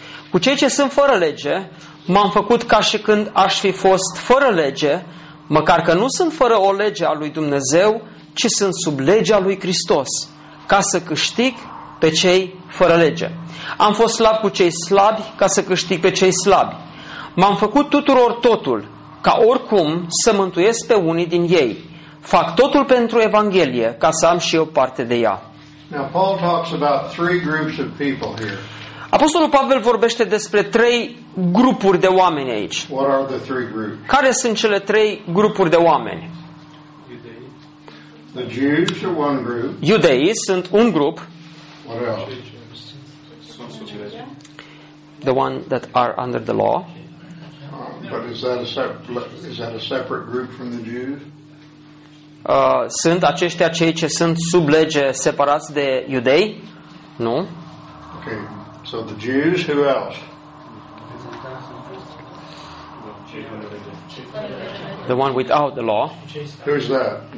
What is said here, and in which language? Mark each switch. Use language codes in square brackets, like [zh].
[ro] Cu cei ce sunt fără lege, m-am făcut ca și când aș fi fost fără lege, măcar că nu sunt fără o lege a lui Dumnezeu, ci sunt sub legea lui Hristos, ca să câștig pe cei fără lege. Am fost slab cu cei slabi, ca să câștig pe cei slabi. M-am făcut tuturor totul, ca oricum să mântuiesc pe unii din ei. Fac totul pentru Evanghelie, ca să am și eu parte de ea. [en] Now, Paul talks about three groups of people here. [ro] Apostolul Pavel vorbește despre trei grupuri de oameni aici. [en] What are the three groups? [ro] Care sunt cele trei grupuri de oameni? [en] The Jews are one group. [ro] Iudeii sunt un grup. [en] What else? The one that are under the law. But is that a separate group from the Jews? [ro] Sunt aceștia cei ce sunt sub lege separați de iudei? Nu. [en] Okay. So the Jews, who else? The one without the law. Who's that?